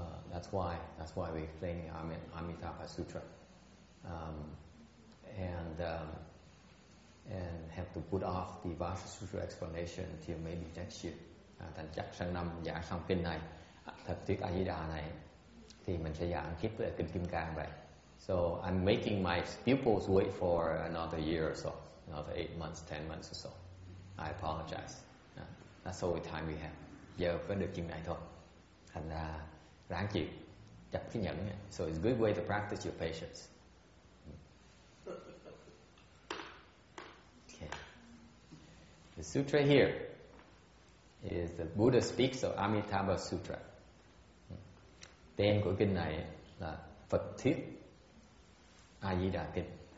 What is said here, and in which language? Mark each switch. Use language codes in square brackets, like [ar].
[en] That's why we're explaining Amitabha Sutra, and have to put off the Vajra Sutra explanation till maybe next year. [vi] Thành chắc sang năm giảng xong kinh này, thật thuyết A Di Đà này, thì mình sẽ giảng tiếp về kinh Kim Cang vậy. [en] So I'm making my pupils wait for another year or so, another 8 months, 10 months or so. I apologize. That's all the time we have. [vi] Giờ có được chuyện này thôi. Thành ra ráng chịu, chấp cái nhẫn. [en] So it's a good way to practice your patience. Okay. The sutra here is the Buddha speaks of Amitabha Sutra. [vi] Tên của kinh này là Phật Thuyết A Di Đà Kinh.